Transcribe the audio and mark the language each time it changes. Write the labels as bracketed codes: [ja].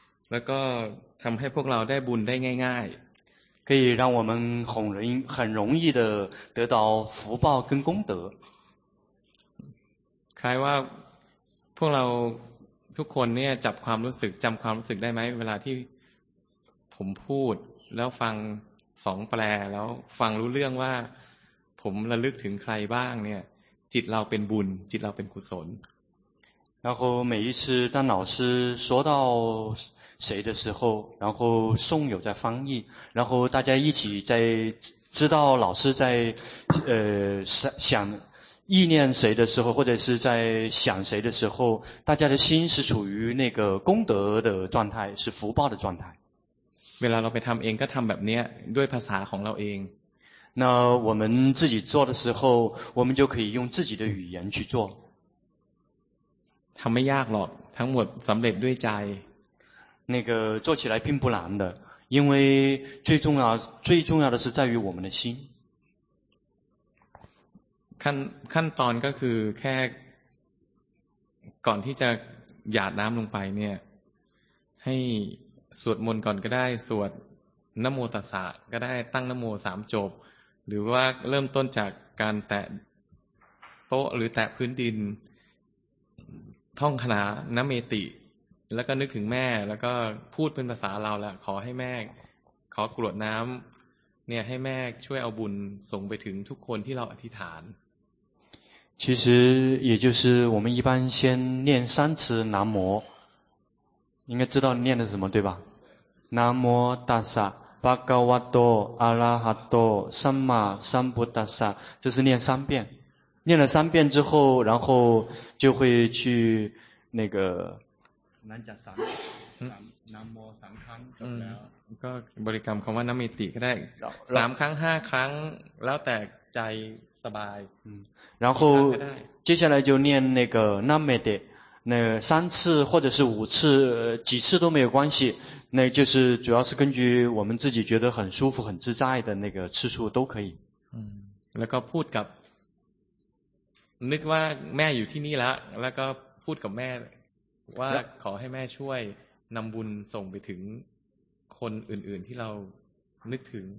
[th] แล้วก็ทำให้พวกเราได้บุญได้ง่าย [zh] ๆ可以让我们很容易的得到福报跟功德 [th] คล้ายว่าพวกเราทุกคนเนี่ยจับความรู้สึกจำความรู้สึกได้ไหมเวลาที่ผมพูดแล้วฟังสองแปลแล้วฟังรู้เรื่องว่าผมระลึกถึงใครบ้างเนี่ยจิตเราเป็นบุญจิตเราเป็นกุศล [zh] 然后每一次当老师说到谁的时候然后诵友在翻译然后大家一起在知道老师在想意念谁的时候或者是在想谁的时候大家的心是处于那个功德的状态是福报的状态 [th] เวลาเราไปทำเองก็ทำแบบนี้ด้วยภาษาของเราเอง [zh] 那我们自己做的时候我们就可以用自己的语言去做 [th] ทำไม่ยากหรอกทั้งหมดสำเร็จด้วยใจ [zh] 那个做起来并不难的因为最重要的是在于我们的心 [th] ขั้นตอนก็คือแค่ก่อนที่จะหยาดน้ำลงไปเนี่ยให้สวดมนต์ก่อนก็ได้สวดนโมตัสสะก็ได้ตั้งนโมสามจบหรือว่าเริ่มต้นจากการแตะโต๊ะหรือแตะพื้นดินท่องคาถานเมติแล้วก็นึกถึงแม่แล้วก็พูดเป็นภาษาเราแหละขอให้แม่ขอกรวดน้ำเนี่ยให้แม่ช่วยเอาบุญส่งไปถึงทุกคนที่เราอธิษฐาน [zh] 其实也就是我们一般先念三次南无应该知道念的是什么对吧南无大萨巴高瓦多阿拉哈多三马三不大萨这是念三遍念了三遍之后然后就会去那个南加三南无三康嗯那个 [th] บริกรรมคำว่านมิติก็ได้3ครั้ง5ครั้งแล้วแต่ใจสบาย [zh] 然后接下来就念那个นมิติ那三次或者是五次几次都没有关系那就是主要是根据我们自己觉得很舒服很自在的那个次数都可以 [th] 嗯แล้วก็พูดกับนึกว่าแม่อยู่ที่นี่แล้วแล้วก็พูดกับแม่ว่าขอให้แม่ช่วยนำบุญส่งไปถึงคนอื่นๆที่เรานึกถึง